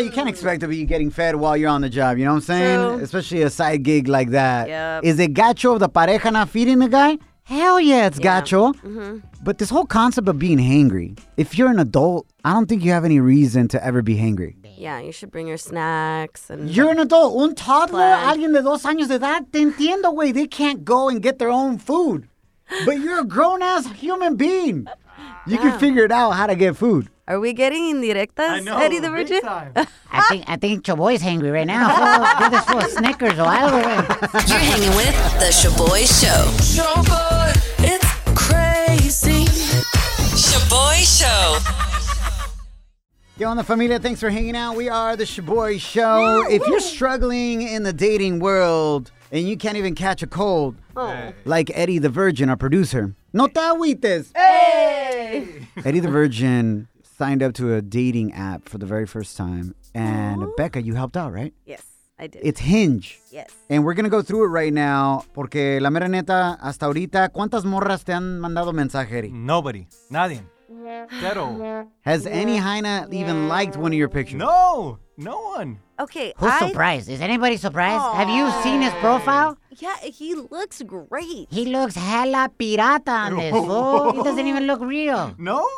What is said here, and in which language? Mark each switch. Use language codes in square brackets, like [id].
[en] You can't expect to be getting fed while you're on the job. You know what I'm saying? True. Especially a side gig like that. Yep. Is it gacho of the pareja not feeding the guy? Hell yeah, it's gacho. Mm-hmm. But this whole concept of being hangry, if you're an adult, I don't think you have any reason to ever be hangry. Yeah, you should bring your snacks. And you're an adult. [es] Un toddler, alguien de dos años de edad, te entiendo, güey. [en] They can't go and get their own food. But you're a grown-ass human being. You can figure it out how to get food. Are we getting indirectas, I know, Eddie the Virgin? I think Shaboy's hangry right now. Get this full of Snickers or whatever. You're hanging with the Shaboy Show. Shaboy, it's crazy. Shaboy Show. Yo, on the familia, thanks for hanging out. We are the Shaboy Show. Yeah, if you're struggling in the dating world and you can't even catch a cold, like Eddie the Virgin, our producer, [es] no te agüites. [en] Hey! Eddie the Virgin signed up to a dating app for the very first time. And aww. Becca, you helped out, right? Yes, I did. It's Hinge. Yes. And we're going to go through it right now. [es] Porque la mera neta, hasta ahorita, ¿cuántas morras te han mandado mensaje, Eddie? [en] Nobody. Nadie. Zero. Has any Haina even liked one of your pictures? No. No one. Okay. Who's surprised? Is anybody surprised? Aww. Have you seen his profile? Yeah, he looks great. He looks hella pirata on this. Oh, he doesn't even look real. No?